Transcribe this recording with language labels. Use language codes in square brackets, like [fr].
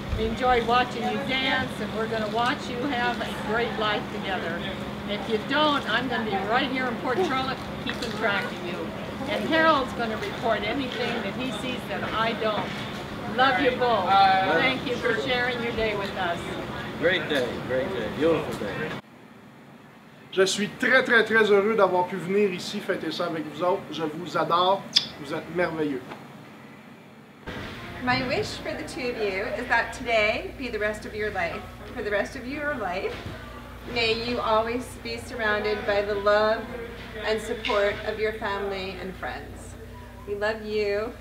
[en] We enjoyed watching you dance, and we're going to watch you have a great life together. If you don't, I'm going to be right here in Port Charlotte keeping track of you. And Harold's going to report anything that he sees that I don't. Love you both. Thank you for sharing your day with us. Great day. Great day. Beautiful day. [fr] Je suis très, très, très heureux d'avoir pu venir ici fêter ça avec vous autres. Je vous adore. Vous êtes merveilleux. [en] My wish for the two of you is that today be the rest of your life. For the rest of your life, may you always be surrounded by the love and support of your family and friends. We love you.